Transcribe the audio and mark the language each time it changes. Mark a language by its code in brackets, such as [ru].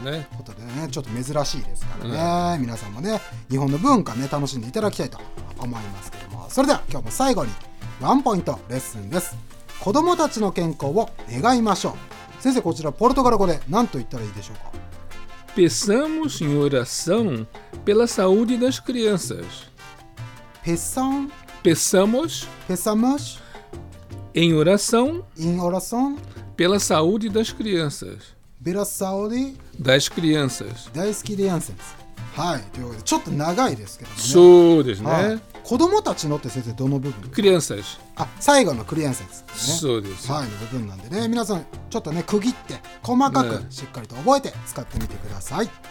[ja] ね、ことでね、ちょっと珍しいですからね、皆さんもね、日本の文化ね、楽しんでいただきたいと思いますけども、それでは今日も最後にワンポイントレッスンです。子どもたちの健康を願いましょう。先生、こちらポルトガル語で何と言ったらいいでしょうか。 [pt] Peçamos em oração pela saúde das crianças. Peçamos em oração, em oração pela saúde das crianças. Pela saúde das crianças. Das crianças. [ja] はい、ということでちょっと長いですけどね。そうですね。子供たちのって先生どの部分？クリアンサーズ。あ、最後のクリアンサーズ、ね。そうです。はい、の部分なんでね、皆さんちょっとね、区切って細かくしっかりと覚えて使ってみてください。